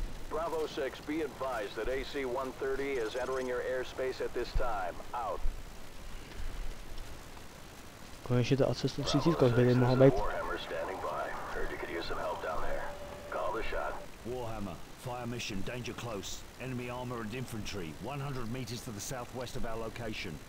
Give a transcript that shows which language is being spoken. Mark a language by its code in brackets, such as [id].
[en] Bravo 6, be advised that AC-130 is entering your airspace at this time. Out. [cs] Konečně ta AC-130, kde by mohla být. [en] Warhammer standing by. Heard you could use some help down there. Call the shot. Warhammer, fire mission, danger close. Enemy armor and infantry, 100 meters to the southwest of our location.